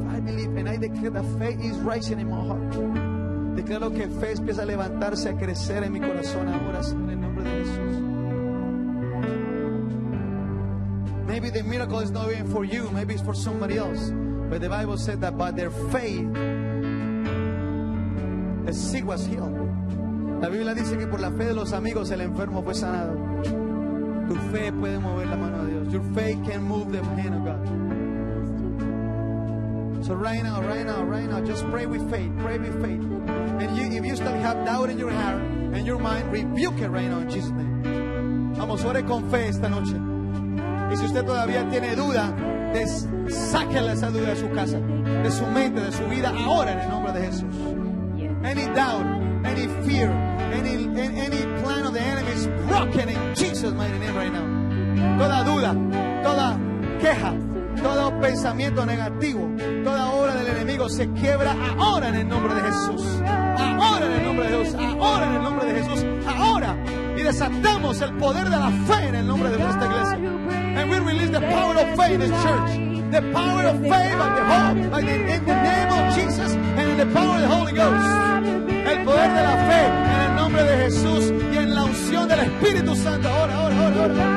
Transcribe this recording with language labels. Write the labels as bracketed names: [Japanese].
[English] And I declare that faith is rising in my heart. [Spanish] Declaro que fe empieza a levantarse, a crecer en mi corazón ahora, Señor, en el nombre de Jesús. [English] Maybe the miracle is not even for you, maybe it's for somebody else. But the Bible said that by their faith, the sick was healed. [Spanish] La Biblia dice que por la fe de los amigos el enfermo fue sanado. Tu fe puede mover la mano de Dios. [English] Your faith can move the hand of God. So right now, just pray with faith. And you, if you still have doubt in your heart and your mind, rebuke it right now in Jesus' name. [Spanish] Vamos, ore con fe esta noche. Y si usted todavía tiene duda, sáquele esa duda de su casa, de su mente, de su vida, ahora en el nombre de Jesús. [English] Any doubt, any fear, any plan of the enemy is broken in Jesus' mighty name right now. [Spanish] Toda duda, toda queja, todo pensamiento negativo, toda obra del enemigo se quiebra ahora en el nombre de Jesús. Ahora en el nombre de Dios, ahora en el nombre de Jesús, ahora. Y desatamos el poder de la fe en el nombre de nuestra iglesia. [English] And we release the power of faith in the church. The power of faith and the hope in the name of Jesus and in the power of the Holy Ghost. [Spanish] El poder de la fe en el nombre de Jesús y en la unción del Espíritu Santo.